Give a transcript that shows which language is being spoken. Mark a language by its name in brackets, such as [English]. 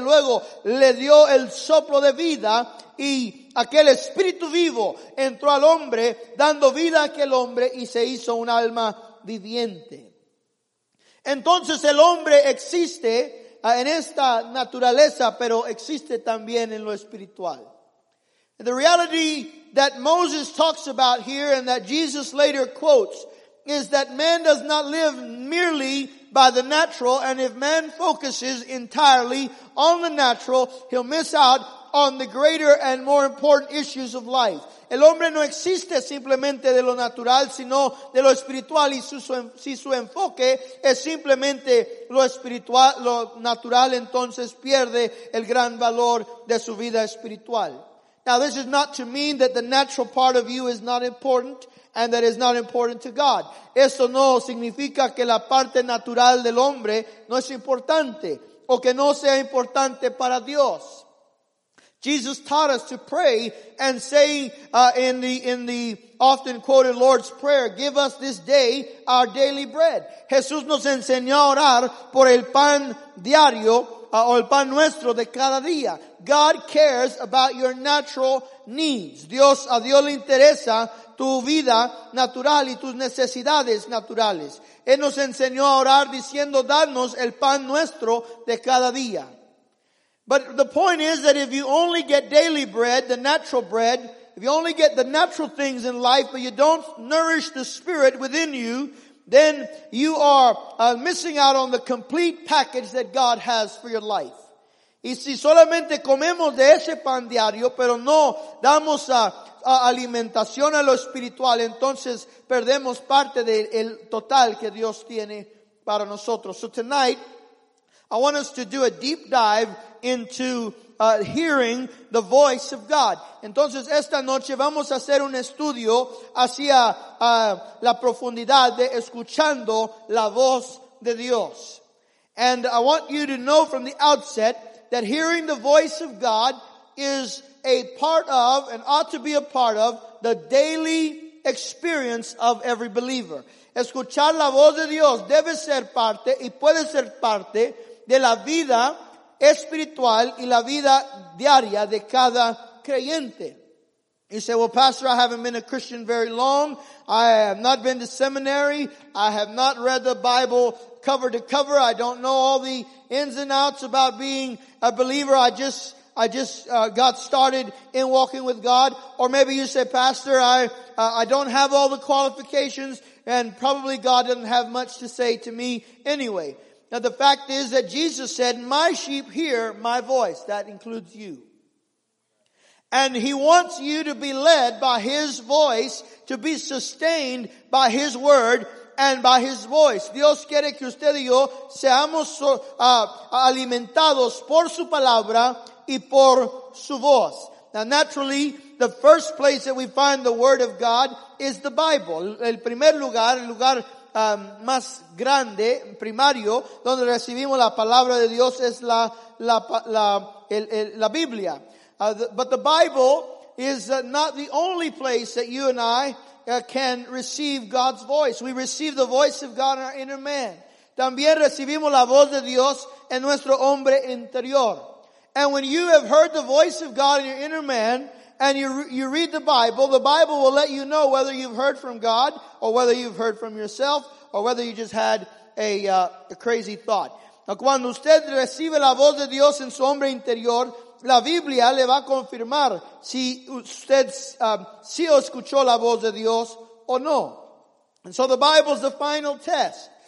[Spanish] Y luego le dio el soplo de vida y aquel espíritu vivo entró al hombre dando vida a aquel hombre y se hizo un alma viviente. Entonces el hombre existe en esta naturaleza, pero existe también en lo espiritual. [English] The reality that Moses talks about here and that Jesus later quotes is that man does not live merely by the natural, and if man focuses entirely on the natural, he'll miss out on the greater and more important issues of life. [Spanish] El hombre no existe simplemente de lo natural, sino de lo espiritual, y si su enfoque es simplemente lo espiritual, lo natural, entonces pierde el gran valor de su vida espiritual. [English] Now, this is not to mean that the natural part of you is not important and that is not important to God. [Spanish] Eso no significa que la parte natural del hombre no es importante o que no sea importante para Dios. [English] Jesus taught us to pray and say in the often quoted Lord's Prayer, give us this day our daily bread. [Spanish] Jesús nos enseñó a orar por el pan diario o el pan nuestro de cada día. [English] God cares about your natural needs. [Spanish] Dios, a Dios le interesa tu vida natural y tus necesidades naturales. Él nos enseñó a orar diciendo, danos el pan nuestro de cada día. [English] But the point is that if you only get daily bread, the natural bread, if you only get the natural things in life, but you don't nourish the spirit within you, then you are missing out on the complete package that God has for your life. [Spanish] Y si solamente comemos de ese pan diario, pero no damos a alimentación a lo espiritual, entonces perdemos parte del total que Dios tiene para nosotros. [English] So tonight, I want us to do a deep dive into hearing the voice of God. [Spanish] Entonces esta noche vamos a hacer un estudio hacia la profundidad de escuchando la voz de Dios. [English] And I want you to know from the outset that hearing the voice of God is a part of and ought to be a part of the daily experience of every believer. [Spanish] Escuchar la voz de Dios debe ser parte y puede ser parte de la vida espiritual y la vida diaria de cada creyente. [English] You say, well, Pastor, I haven't been a Christian very long. I have not been to seminary. I have not read the Bible cover to cover. I don't know all the ins and outs about being a believer. I just got started in walking with God. Or maybe you say, Pastor, I don't have all the qualifications, and probably God doesn't have much to say to me anyway. Now the fact is that Jesus said, my sheep hear my voice. That includes you. And he wants you to be led by his voice, to be sustained by his word and by his voice. [Spanish] Dios quiere que usted y yo seamos alimentados por su palabra y por su voz. [English] Now naturally, the first place that we find the word of God is the Bible. [Spanish] El primer lugar, el lugar más grande, primario, donde recibimos la palabra de Dios es la Biblia. [English] But the Bible is not the only place that you and I can receive God's voice. We receive the voice of God in our inner man. [Spanish] También recibimos la voz de Dios en nuestro hombre interior. [English] And when you have heard the voice of God in your inner man, and you read the Bible will let you know whether you've heard from God or whether you've heard from yourself or whether you just had a crazy thought. [Spanish] Now, cuando usted recibe la voz de Dios en su hombre interior, la Biblia le va a confirmar si usted si escuchó la voz de Dios o no. [English] And so the Bible is the final test.